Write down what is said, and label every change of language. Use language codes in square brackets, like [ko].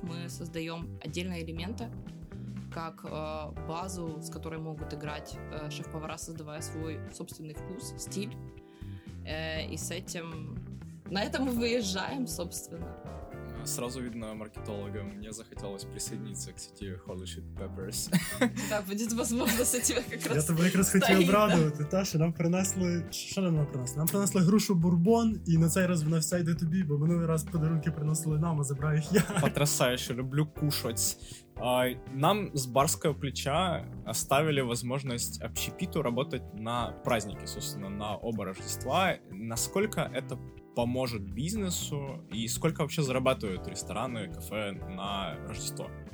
[ru] Мы создаем отдельные элементы, как базу, с которой могут играть шеф-повара, создавая свой собственный вкус, стиль. И с этим... На этом мы выезжаем, собственно. Сразу видно маркетолога. Мне захотелось присоединиться к сети Holy Shit Peppers. Да, будет возможность тебя как раз. Я тебе как раз хотел обрадовать. Таша, нам принесли... [uk] Що нам принесли? Нам принесли грушу бурбон, і на цей раз вона вся йде тобі, бо минулий раз подарунки приносили нам, а забрав їх я. [ru] Потрясающе, люблю кушать. [uk] Нам з барського плеча [ru] оставили возможность общепиту работать на праздники, собственно, на оба Рождества. Насколько это поможет бизнесу, и сколько вообще зарабатывают рестораны, кафе на Рождество?